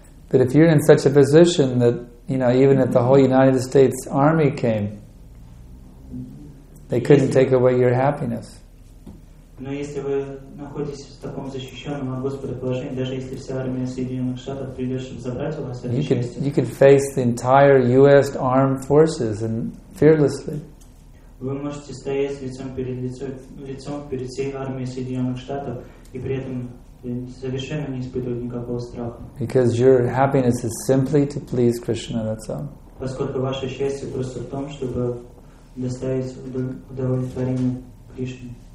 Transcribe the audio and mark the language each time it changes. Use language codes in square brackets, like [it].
[en] But if you're in such a position that, you know, even if the whole United States Army came, they couldn't take away your happiness. [ru] Но если вы находитесь в таком защищенном от Господа положении, даже если вся армия Соединенных Штатов придет, чтобы забрать у вас это счастье, [en] you could face the entire U.S. armed forces and fearlessly. [ru] Вы можете стоять лицом перед всей армией Соединенных Штатов и при этом совершенно не испытывать никакого страха. [en] Because your happiness is simply to please Krishna, that's all. [ru] Поскольку ваше счастье просто в том, чтобы доставить удовлетворение Кришне.